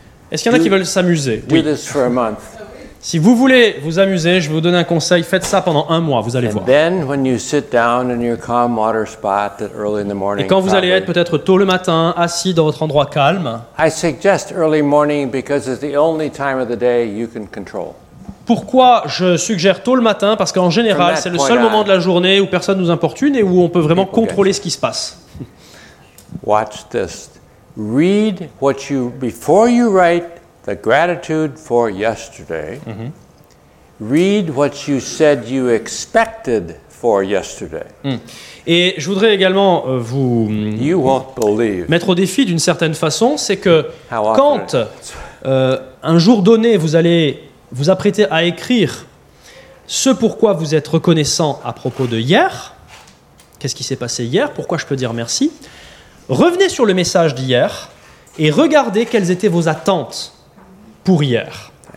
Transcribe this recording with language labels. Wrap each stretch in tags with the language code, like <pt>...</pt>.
<fr>est-ce qu'il y en a qui veulent s'amuser?</fr> <en>Do this for a month.</en> <fr>Si vous voulez vous amuser, je vais vous donner un conseil. Faites ça pendant un mois, vous allez voir.</fr> <en>And then when you sit down in your calm water spot early in the morning.</en> <fr>Et quand vous allez être peut-être tôt le matin, assis dans votre endroit calme.</fr> <en>I suggest early morning because it's the only time of the day you can control.</en> <fr>Pourquoi je suggère tôt le matin? Parce qu'en général, c'est le seul moment de la journée où personne nous importune et où on peut vraiment contrôler ce qui se passe.</fr> <en>Watch this. Read what you before you write. The gratitude for yesterday. Read what you said you expected for yesterday.</en> <fr>Et je voudrais également vous</fr> <en>you won't believe.</en> <fr>Mettre au défi d'une certaine façon, c'est que</fr> <en>How</en> <fr>quand un jour donné, vous allez vous apprêter à écrire ce pourquoi vous êtes reconnaissant à propos de hier, qu'est-ce qui s'est passé hier, pourquoi je peux dire merci, revenez sur le message d'hier et regardez quelles étaient vos attentes. Pour hier.</fr>